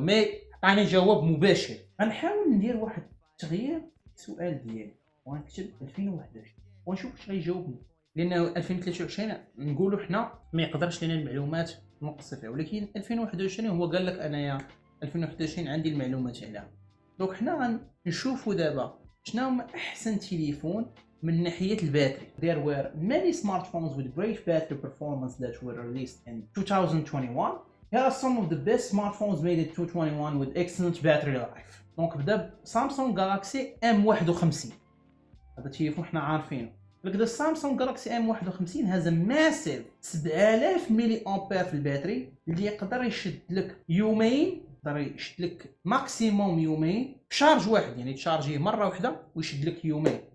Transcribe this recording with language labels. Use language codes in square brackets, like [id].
[ar] مي عطاني جواب مباشر، غنحاول ندير واحد التغيير السؤال ديالي ونكتب 2021 ونشوف شنو غيجاوبني، لانه 2023 نقولوا حنا ما يقدرش لنا المعلومات مقصفه، ولكن 2021 هو قال لك انايا 2021 عندي المعلومات عليها. دونك حنا غنشوفوا دابا شنو احسن تليفون من ناحيه الباتري. [en] There were many smartphones with great battery performance that were released in 2021. Here are some of the best smartphones made in 2021 with excellent battery life. [ar] دونك بدا سامسونج جالاكسي M51، هذا التليفون حنا عارفينه. لك ذا سامسونج جالاكسي M51 هذا ماسيف 7000 ملي امبير في الباتري، اللي يقدر يشد لك يومين، يقدر يشد لك ماكسيموم يومين شارج واحد، يعني تشارجيه مره واحده ويشد لك يومين.